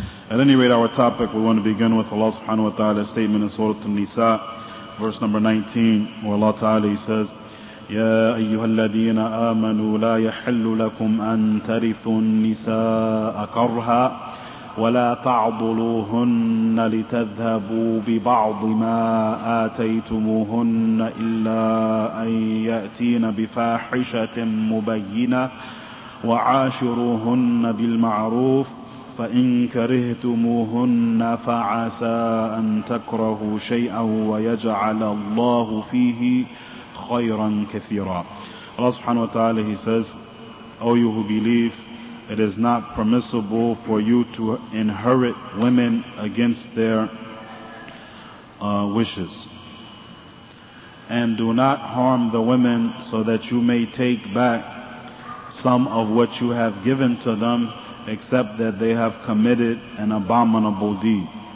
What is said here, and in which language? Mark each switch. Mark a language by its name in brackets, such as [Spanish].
[English] At any rate, our topic we want to begin with Allah subhanahu wa ta'ala's statement in Surah An-Nisa, verse number 19, where Allah ta'ala says, [Arabic] يا أيها الذين آمنوا لا يحل لكم أن ترثوا النساء كرها ولا تعضلوهن لتذهبوا ببعض ما آتيتموهن إلا أن يأتين بفاحشة مبينة وعاشروهن بالمعروف [English] فإن كرهتموهن فعسى أن تكرهوا شيئا ويجعل الله فيه خيرا كثيرا. Allah subhanahu wa ta'ala, he says, O you who believe, it is not permissible for you to inherit women against their wishes. And do not harm the women so that you may take back some of what you have given to them, except that they have committed an abominable deed.